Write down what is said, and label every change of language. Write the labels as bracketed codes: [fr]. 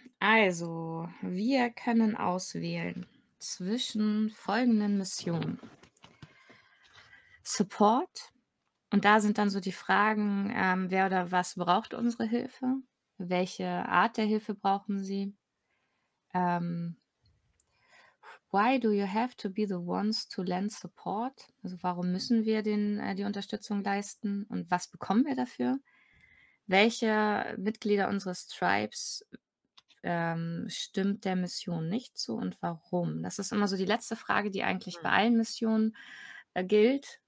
[de] Also, wir können auswählen zwischen folgenden Missionen. Support. Und da sind dann so die Fragen, wer oder was braucht unsere Hilfe? Welche Art der Hilfe brauchen Sie? [en] Why do you have to be the ones to lend support? [de] Also warum müssen wir die Unterstützung leisten und was bekommen wir dafür? Welche Mitglieder unseres Tribes stimmt der Mission nicht zu und warum? Das ist immer so die letzte Frage, die eigentlich bei allen Missionen gilt.